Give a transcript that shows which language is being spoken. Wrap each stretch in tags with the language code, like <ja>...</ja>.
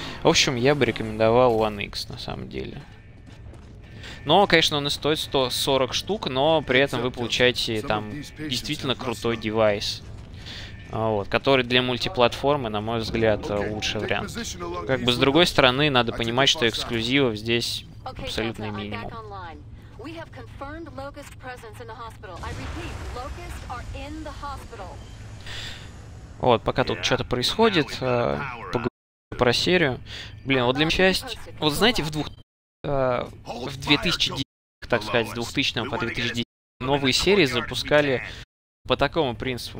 <ru>В общем, я бы рекомендовал One X, на самом деле. Но, конечно, он и стоит 140 штук, но при этом вы получаете там действительно крутой девайс. Вот, который для мультиплатформы, на мой взгляд, лучший вариант. Как бы, с другой стороны, надо понимать, что эксклюзивов здесь абсолютный минимум.</ru> <en>We have confirmed Locust presence in the hospital. I repeat, Locust are in the hospital.</en> <ru>Вот, пока тут что-то происходит, поговорим про серию. Блин, вот для меня часть... Вот знаете, в 2000... Так сказать, с 2000 по 2010 новые серии запускали по такому принципу.</ru>